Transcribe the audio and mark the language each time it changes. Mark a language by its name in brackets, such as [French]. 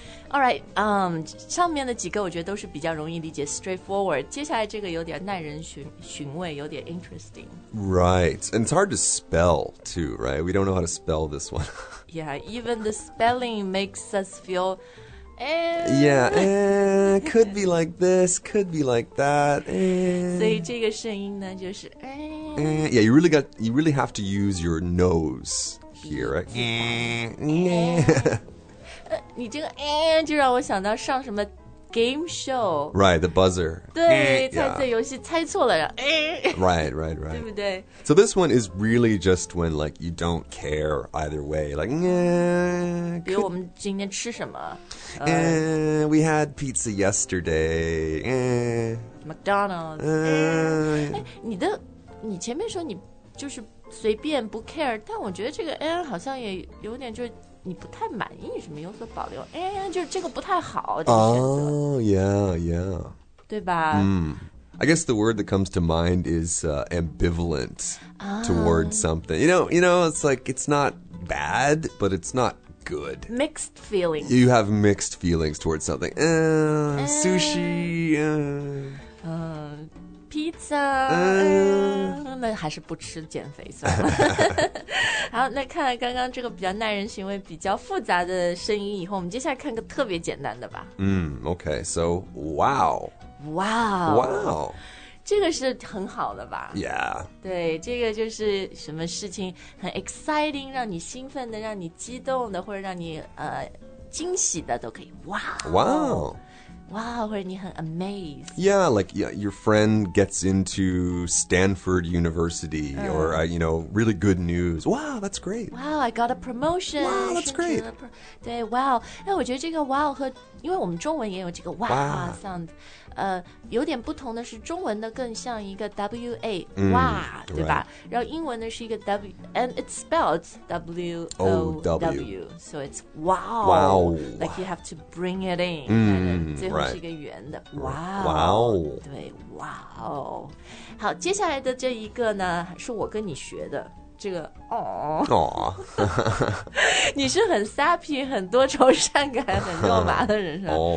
[English] All right, [Chinese] 上面的几个我觉得都是比较容易理解 straightforward. 接下来这个有点耐人寻味，有点 interesting. [English] Right, and it's hard to spell too, right? We don't know how to spell this one. Yeah, even the spelling makes us feel, could be like this, could be like that. [Chinese] 所以这个声音呢就是 [English] Yeah, you really have to use your nose. Hear it. [Chinese] You 这个 就让我想到上什么 game show. [English] Right, the buzzer. [Chinese] 对，猜对游戏猜错了，然后 [English] Right. [Chinese] 对不对？ [English] So this one is really just when like you don't care either way. Like, [Chinese] 比如我们今天吃什么？ [English] We had pizza yesterday. [Chinese] McDonald's. 你前面说你就是。随便不 care, 但我觉得这个 N 好像也有点就是你不太满意什么有所保留 N 就是这个不太好这个选择 对吧、 [English] I guess the word that comes to mind is ambivalent towards something. You know, it's like it's not bad, but it's not good. Mixed feelings. You have mixed feelings towards something. Sushi. [Chinese] Pizza. 那还是不吃减肥算了。好，那看来刚刚这个比较耐人寻味、比较复杂的声音，以后我们接下来看个特别简单的吧。 [English] Okay. So, wow. Wow. Wow. [Chinese] 这个是很好的吧 [English] ？Yeah. [Chinese] 对，这个就是什么事情很 exciting， 让你兴奋的、让你激动的，或者让你惊喜的都可以。 [English] Wow. Wow. Wow, or you're amazed. Yeah, like yeah, your friend gets into Stanford University or, you know, really good news. Wow, that's great. Wow, I got a promotion. Wow, that's great. [Chinese] 对, wow. 那我觉得这个 wow 和因为我们中文也有这个 wow sound, 有点不同的是中文的更像一个 W-A, wow, 对吧？然后英文的是一个 [English] W, and it's spelled W-O-W, so it's wow. Wow. Like you have to bring it in. Right. Wow. Wow. [Chinese] 对 wow. 好，接下来的这一个呢，是我跟你学的。这个哦哦，你是很 sappy、很多愁善感、很肉麻的人是吧？